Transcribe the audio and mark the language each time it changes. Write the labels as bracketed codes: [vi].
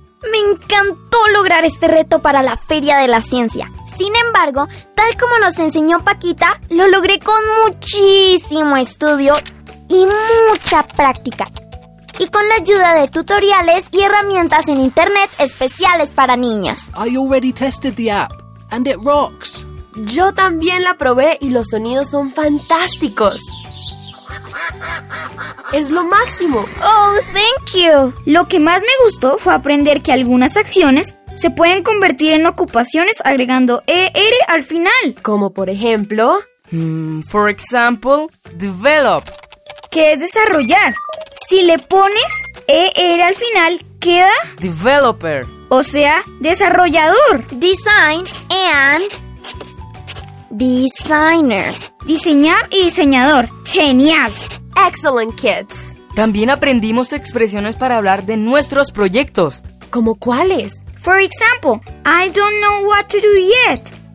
[es] Me encantó lograr este reto para la Feria de la Ciencia. Sin embargo, tal como nos enseñó Paquita, lo logré con muchísimo estudio y mucha práctica. Y con la ayuda de tutoriales y herramientas en internet especiales para niñas. [en] I already tested the app, and it rocks. [es] Yo también la probé y los sonidos son fantásticos. ¡Es lo máximo! [en] ¡Oh, thank you! [es] Lo que más me gustó fue aprender que algunas acciones se pueden convertir en ocupaciones agregando ER al final. Como por ejemplo... [en] For example, develop. [es] ¿Qué es desarrollar? Si le pones ER al final, queda... [en] Developer. [es] O sea, desarrollador. [en] Design and... Designer. [es] Diseñar y diseñador. ¡Genial! [en] Excellent, kids. [es] También aprendimos expresiones para hablar de nuestros proyectos. ¿Como cuáles? [en] For example, I don't know what to do yet.